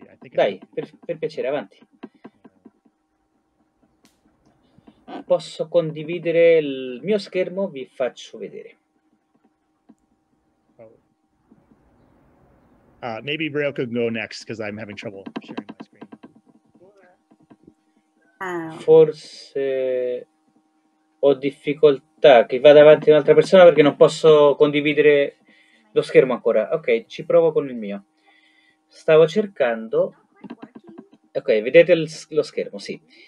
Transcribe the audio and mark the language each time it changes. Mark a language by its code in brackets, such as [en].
[it] Dai, per piacere, avanti. posso condividere il mio schermo, vi faccio vedere. [en] Maybe Braille can go next because I'm having trouble sharing my screen. [it] Forse ho difficoltà che vada avanti un'altra persona perché non posso condividere lo schermo ancora. Ok, ci provo con il mio. Stavo cercando. Ok, vedete lo schermo, sì.